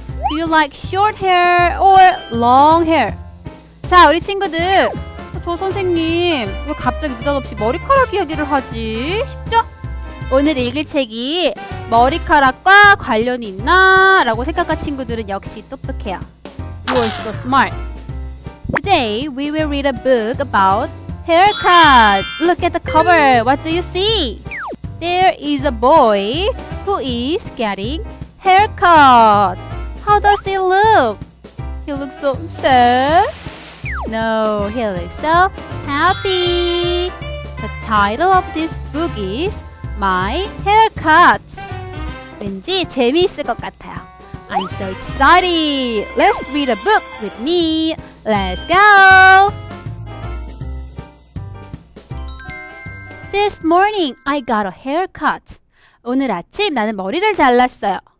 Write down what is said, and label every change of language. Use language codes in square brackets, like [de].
[en] Do you like short hair or long hair? [ko] 자, 우리 친구들. 저 선생님, 왜 갑자기 느닷없이 머리카락 이야기를 하지 싶죠? 오늘 읽을 책이 머리카락과 관련이 있나? 라고 생각한 친구들은 역시 똑똑해요. [en] You are so smart. Today, we will read a book about haircut. Look at the cover. What do you see? There is a boy who is getting haircut. How does he look? He looks so sad. No, he looks so happy. The title of this book is My Haircut. [ko] 왠지 재미있을 것 같아요. [en] I'm so excited. Let's read a book with me. Let's go. This morning, I got a haircut. [ko] 오늘 아침 나는 머리를 잘랐어요.